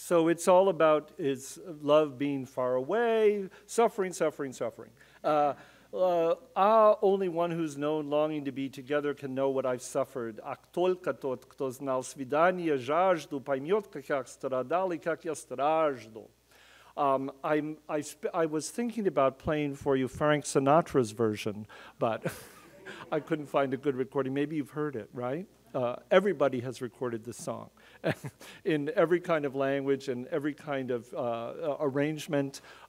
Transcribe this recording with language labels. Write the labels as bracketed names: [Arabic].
[English] It's all about is love being far away, suffering, suffering, suffering. Only one who's known longing to be together can know what I've suffered. [Russian] Ах, только тот, кто знал свидание, жажду, поймет, как я страдал и как я страждал. [English] I was thinking about playing for you Frank Sinatra's version, but I couldn't find a good recording. Maybe you've heard it, right? Everybody has recorded this song. In every kind of language and every kind of arrangement.